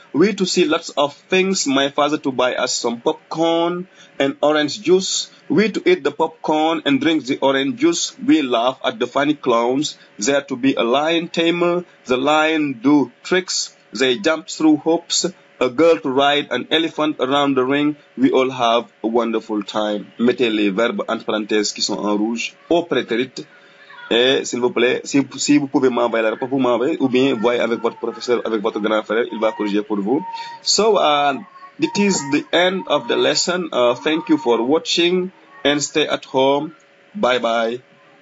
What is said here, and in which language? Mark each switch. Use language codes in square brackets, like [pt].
[en] We to see lots of things. My father to buy us some popcorn and orange juice. We to eat the popcorn and drink the orange juice. We laugh at the funny clowns. There to be a lion tamer. The lion do tricks. They jump through hoops. A girl to ride an elephant around the ring. We all have a wonderful time. [fr] Mettez les verbes entre parenthèses qui sont en rouge au prétérit. Et s'il vous plaît, si vous pouvez m'envoyer la réponse, vous m'envoyez. Ou bien, voyez avec votre professeur, avec votre grand frère, il va corriger pour vous. [en] So, it is the end of the lesson. Thank you for watching and stay at home. Bye bye.